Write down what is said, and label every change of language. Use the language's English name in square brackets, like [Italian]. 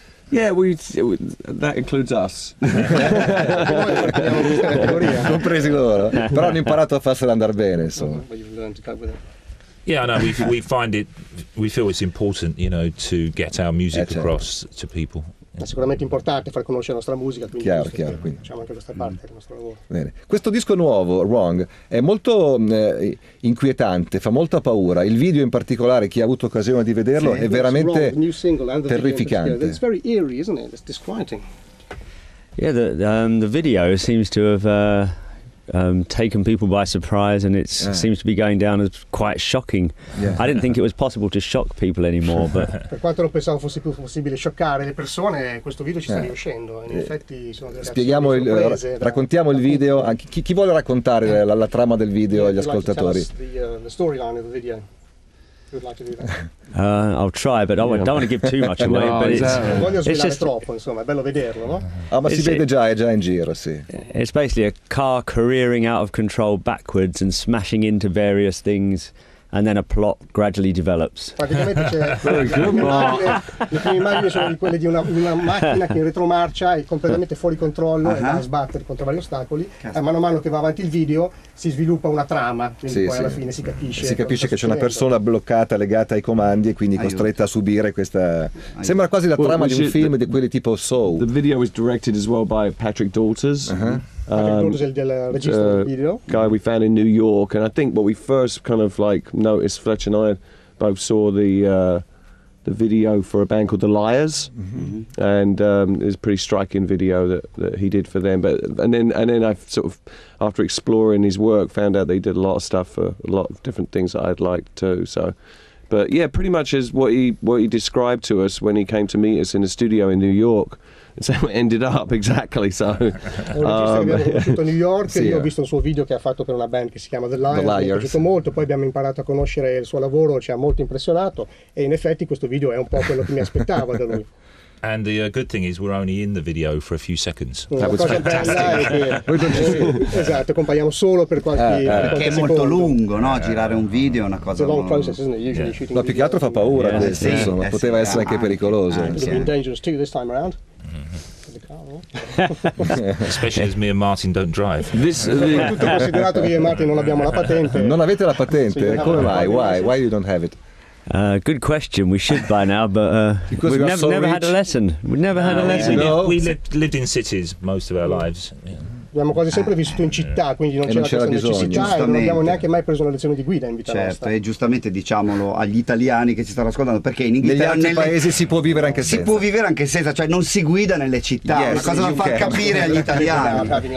[English] Yeah, we that includes us. [Italian] Compresi loro. Però hanno imparato a farsela andare bene, insomma. [English] Yeah, I know. We find it. We feel it's important, you know, to get our music across to people. [Italian] È sicuramente importante far conoscere la nostra musica, quindi chiaro, quindi facciamo anche questa parte del nostro lavoro. Bene. Questo disco nuovo, Wrong, è molto inquietante, fa molta paura. Il video in particolare, chi ha avuto occasione di vederlo, è veramente terrificante. [English] It's very eerie, isn't it? It's disquieting. Yeah, the video seems to have taken people by surprise, and it seems to be going down as quite shocking. Yeah. I didn't think it was possible to shock people anymore. But [Italian] per quanto non pensavo fosse più possibile scioccare le persone, questo video ci sta riuscendo. In effetti sono delle spieghiamo il raccontiamo il video. Chi vuole raccontare la trama del video agli ascoltatori? [English] The storyline of the video. would like to do that. I'll try, but I don't want to give too much away. No, but [Italian] esatto. [English] It's just [Italian] troppo, insomma, è bello vederlo, no? Ah, ma si vede già, è già in giro, sì. [English] It's basically a car careering out of control backwards and smashing into various things. And then a plot gradually develops. [Italian] Le prime immagini sono quelle di una macchina che in retromarcia è completamente fuori controllo e va a sbattere contro vari ostacoli. E mano a mano che va avanti il video si sviluppa una trama, quindi poi alla fine si capisce. Si capisce che c'è una persona bloccata, legata ai comandi e quindi costretta a subire questa. Sembra quasi la trama di un film di quelli tipo Saw. [English] The video was directed as well by Patrick Daughters. Guy we found in New York, and I think what we first kind of like noticed, Fletcher and I both saw the video for a band called The Liars, and it was a pretty striking video that he did for them. But and then I sort of, after exploring his work, found out they did a lot of stuff for a lot of different things that I'd liked too. So, but yeah, pretty much is what he described to us when he came to meet us in a studio in New York. So it ended up exactly. So. [Italian] Ho visto New York. Sì, io ho visto un suo video che ha fatto per una band che si chiama The Liars. Mi è piaciuto molto. Poi abbiamo imparato a conoscere il suo lavoro. Ci ha molto impressionato. E in effetti questo video è un po' quello che mi aspettavo da lui. [English] And the good thing is we're only in the video for a few seconds. That was fantastic. [Italian] Esatto, accompagniamo solo per qualche che è molto lungo, no? Girare un video è una cosa. [English] Long process, isn't it? Usually shooting. [Italian] Ma più che altro fa paura, insomma. Poteva essere anche pericoloso. [English] Dangerous too this time around. Especially as me and Martin don't drive. [Italian] Tutto considerato che io e Martin non abbiamo la patente. Non avete la patente? Come mai? [English] Why you don't have it? Good question. We should by now, but we've never had a lesson. We've never had a lesson. No. We lived in cities most of our lives. Yeah. [Italian] Abbiamo quasi sempre vissuto in città, quindi non c'era questa necessità, giustamente. E non abbiamo neanche mai preso una lezione di guida in vita nostra. E giustamente diciamolo agli italiani che ci stanno ascoltando, perché in Inghilterra nel paese si può vivere anche senza. Si può vivere anche senza, cioè non si guida nelle città. Yes, una cosa da far capire agli italiani.